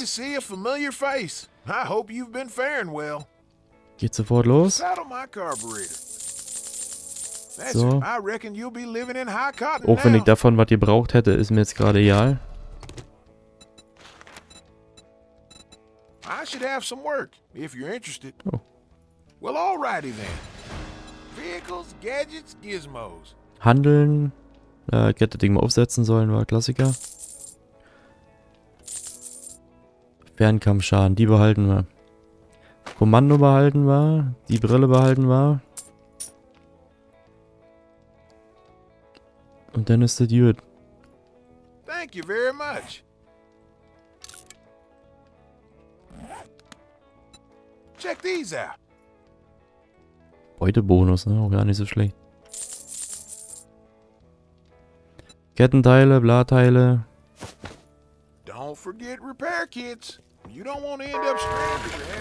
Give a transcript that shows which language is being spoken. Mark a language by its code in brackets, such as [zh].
[en] It's good to see a familiar face. I hope you've been faring well. [de] Geht sofort los. [en] Saddle my carburetor. [de] So. [en] I reckon you'll be living in high cotton. [de] Auch wenn ich davon was gebraucht hätte, ist mir jetzt gerade egal. [en] I should have some work, if you're interested. Oh. Well, alrighty then. Vehicles, gadgets, gizmos. [de] Handeln. Ich hätte das Ding mal aufsetzen sollen, war Klassiker. Fernkampfschaden, die behalten wir. Kommando behalten wir. Die Brille behalten wir. Und dann ist das gut. [en] Thank you very much. Check these out. [de] Beutebonus, ne? Auch gar nicht so schlecht. Kettenteile, Blatteile. [en] Don't forget repair kits. You don't want to end up stranded.